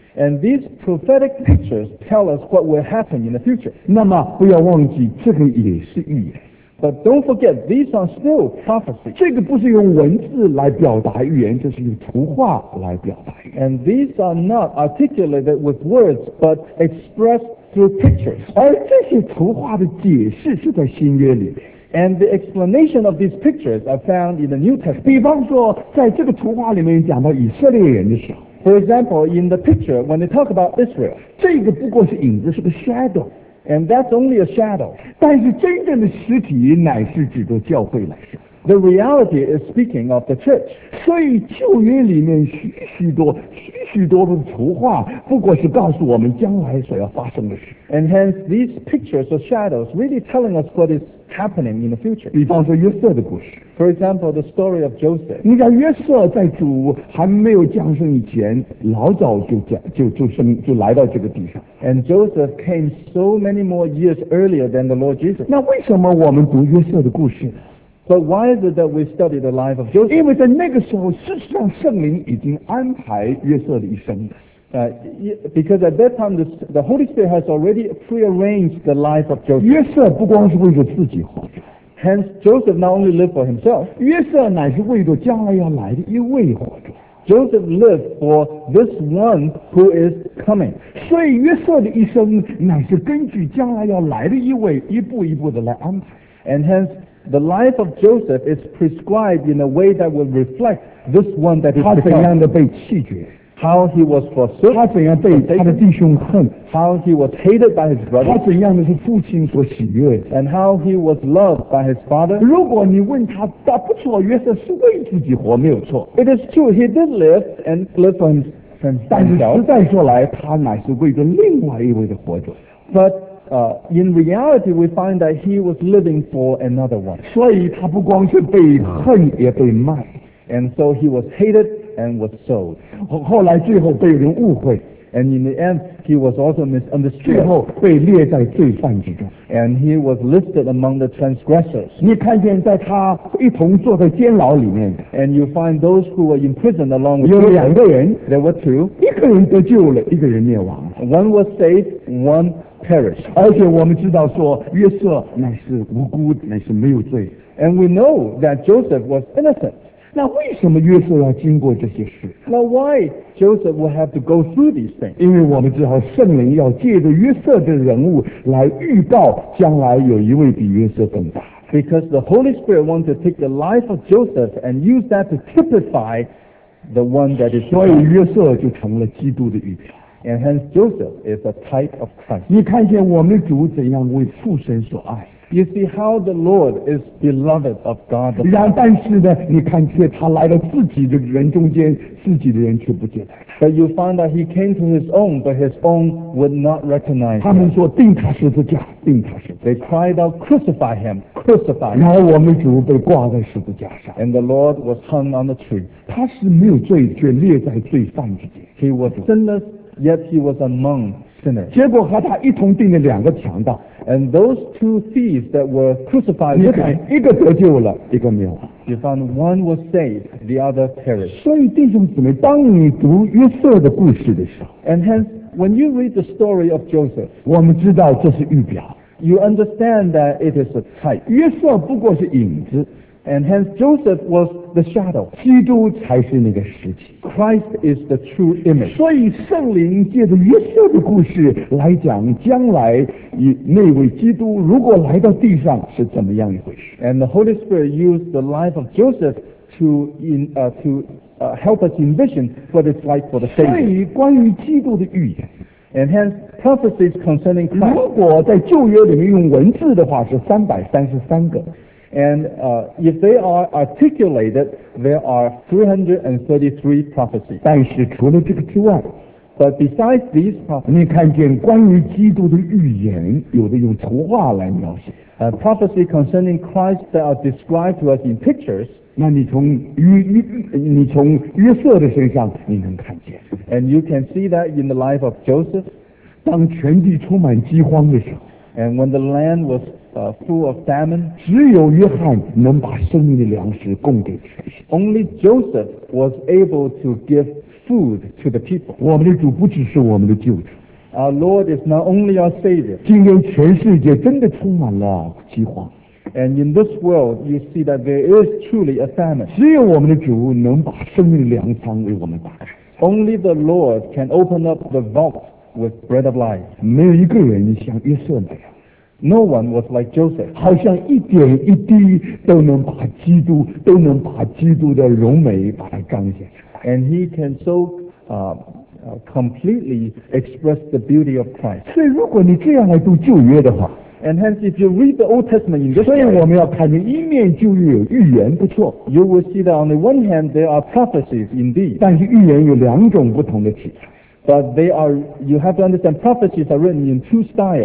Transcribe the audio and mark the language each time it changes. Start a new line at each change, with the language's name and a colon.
English: And these prophetic pictures tell us what will happen in the future.
Chinese: 那么不要忘记，这个也是预言。
English: But don't forget, these are still prophecies.
Chinese: 这个不是用文字来表达预言，这是用图画来表达。
English: And these are not articulated with words, but expressed through pictures.
Chinese: 而这些图画的解释是在新约里面。
English: And the explanation of these pictures are found in the New Testament.
Chinese: 比方说，在这个图画里面讲到以色列人的时候。
English: For example, in the picture, when they talk about Israel.
Chinese: 这个不过是影子，是个 shadow。
English: And that's only a shadow.
Chinese: 但是真正的实体乃是指着教会来说。
English: The reality is speaking of the church.
Chinese: 所以旧约里面许许多的图画不过是告诉我们将来所要发生的事。
English: And hence these pictures or shadows really telling us what is happening in the future.
Chinese: 比方说约瑟的故事。
English: For example, the story of Joseph.
Chinese: 你看约瑟在主还没有降生以前老早就来到这个地上。
English: And Joseph came so many more years earlier than the Lord Jesus.
Chinese: 那为什么我们读约瑟的故事呢？
English: But why is it that we study the life of Joseph?
Chinese: 因为在那个时候，事实上圣灵已经安排约瑟的一生了。
English: Because at that time the Holy Spirit has already prearranged the life of Joseph.
Chinese: 约瑟不光是为着自己活。
English: Hence Joseph not only lived for himself.
Chinese: 约瑟乃是为着将来要来的一位活着。
English: Joseph lived for this one who is coming.
Chinese: 所以约瑟的一生乃是根据将来要来的一位一步一步的来安排。
English: And hence,The life of Joseph is prescribed in a way that will reflect this one that is to come.
Chinese: 他怎样的被弃绝
English: ？How he was forsaken.
Chinese: 他怎样被他的弟兄恨
English: ？How he was hated by his brother.
Chinese: 他怎样的是父亲所喜悦
English: ？And how he was loved by his father.
Chinese: 如果你问他，他不错，约瑟是为自己活，没有错。
English: It is true he did live and lived for himself.
Chinese: 但是实在说来，他乃是为着另外一位的活着。
English: But in reality, we find that he was living for another one.
Chinese: 所以他不光是被恨，也被卖。
English: And so he was hated and was sold.
Chinese: 后来最后被人误会。
English: And in the end, he was also misunderstood.
Chinese: 最后被列在罪犯之中。
English: And he was listed among the transgressors.
Chinese: 你看见在他一同坐在监牢里面。
English: And you find those who were imprisoned along with him.
Chinese: 有两个人。
English: There were two.
Chinese: 一个人得救了，一个人灭亡。
English: One was saved, one perished.
Chinese: 而且我们知道说，约瑟乃是无辜的，乃是没有罪。
English: And we know that Joseph was innocent.
Chinese: 那为什么约瑟要经过这些事？
English: Now why Joseph will have to go through these things?
Chinese: 因为我们知道圣灵要借着约瑟的人物来预告将来有一位比约瑟更大。
English: Because the Holy Spirit wants to take the life of Joseph and use that to typify the one that is born.
Chinese: 所以约瑟就成了基督的预表。
English: And hence Joseph is a type of Christ.
Chinese: 你看见我们主怎样为父神所爱。
English: You see how the Lord is beloved of God.
Chinese: 但是呢，你看见他来到自己的人中间，自己的人却不接待。
English: But you find that he came to his own, but his own would not recognize him.
Chinese: 他们说钉他十字架，钉他十字架。
English: They cried out, crucify him, crucify him.
Chinese: 然后我们主被挂在十字架上。
English: And the Lord was hung on the tree.
Chinese: 他是没有罪，却列在罪犯之间。
English: He was sinless, yet he was among sinners.
Chinese: 结果和他一同钉的两个强盗。
English: And those two thieves that were crucified with him,
Chinese: 一个得救了，一个灭亡。
English: You found one was saved, the other perished.
Chinese: 所以弟兄姊妹，当你读约瑟的故事的时候，
English: And hence, when you read the story of Joseph,
Chinese: 我们知道这是预表。
English: You understand that it is a type.
Chinese: 约瑟不过是影子。
English: And hence Joseph was the shadow.
Chinese: 基督才是那个实体。
English: Christ is the true image.
Chinese: 所以圣灵借着约瑟的故事来讲将来那位基督如果来到地上是怎么样一回事。
English: And the Holy Spirit used the life of Joseph to help us envision what it's like for the Savior.
Chinese: 所以关于基督的预言。
English: And hence, prophecies concerning Christ.
Chinese: 如果在旧约里面用文字的话是333个。
English: And if they are articulated, there are 333 prophecies.
Chinese: 但是除了这个之外，
English: But besides these prophecies,
Chinese: 你看见关于基督的预言，有的用图画来描写。
English: Prophecy concerning Christ that are described to us in pictures.
Chinese: 那你从约瑟的身上你能看见。
English: And you can see that in the life of Joseph.
Chinese: 当全地充满饥荒的时候。
English: And when the land was full of famine,
Chinese: 只有约翰能把生命的粮食供给全世界。
English: Only Joseph was able to give food to the people.
Chinese: 我们的主不只是我们的救主。
English: Our Lord is not only our Savior.
Chinese: 今天全世界真的充满了饥荒。
English: And in this world, you see that there is truly a famine.
Chinese: 只有我们的主能把生命的粮仓为我们打开。
English: Only the Lord can open up the vault with bread of life.
Chinese: 没有一个人像约瑟那样。
English: No one was like Joseph.
Chinese: 好像一点一滴都能把基督的荣美把它彰显出来。
English: And he can so completely express the beauty of Christ.
Chinese: 所以如果你这样来读旧约的话，
English: And hence if you read the Old Testament in this way,
Chinese: 所以我们要看见一面旧约有预言，不错。
English: You will see that on the one hand there are prophecies indeed.
Chinese: 但是预言有两种不同的体裁。
English: But you have to understand, prophecies are written in two styles.